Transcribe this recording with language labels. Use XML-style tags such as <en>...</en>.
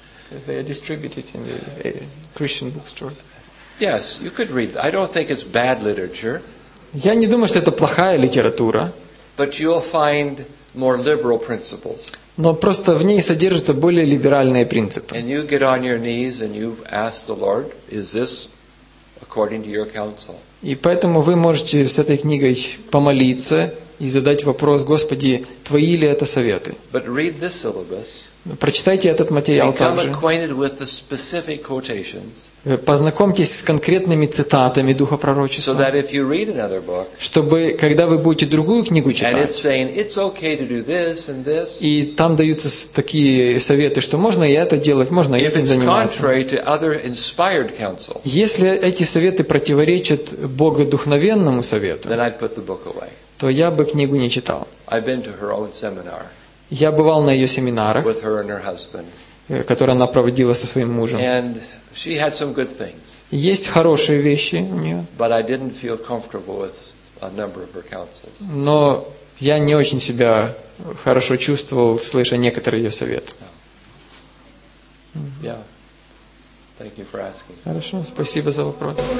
<en>Because they are distributed in the Christian bookstore. Yes, you could read. I don't think it's bad literature.</en> <ru>Я не думаю, что это плохая литература.</ru> <en>But you'll find more liberal principles.</en> <ru>Но просто в ней содержатся более либеральные принципы.</ru> <en>And you get on your knees and you ask the Lord, is this according to your counsel.</en> <ru>И поэтому вы можете с этой книгой помолиться и задать вопрос, Господи, твои ли это советы?</ru> <en>But read this syllabus.</en> <ru>Прочитайте этот материал также.</ru> <en>Become acquainted with the specific quotations.</en> <ru>Познакомьтесь с конкретными цитатами Духа Пророчества.</ru> <en>So that if you read another book,</en> <ru>чтобы когда вы будете другую книгу читать,</ru> <en>and it's saying it's okay to do this and this,</en> <ru>и там даются такие советы, что можно и это делать, можно и этим заниматься.</ru> <en>If it's contrary to other inspired counsel,</en> <ru>если эти советы противоречат Богодухновенному совету,</ru> <en>then I'd put the book away.</en> <ru>То я бы книгу не читал.</ru> <en>I've been to her own seminar.</en> <ru>Я бывал на ее семинарах,</ru> <en>with her and her husband,</en> <ru>которые она проводила со своим мужем.</ru> <en>And she had some good things.</en> <ru>Есть хорошие вещи у неё.</ru> <en>But I didn't feel comfortable with a number of her counsels.</en> <ru>Но я не очень себя хорошо чувствовал, слыша некоторые её советы.</ru> <en>Yeah. Thank you for asking.</en> <ru>Хорошо, спасибо за вопрос.</ru>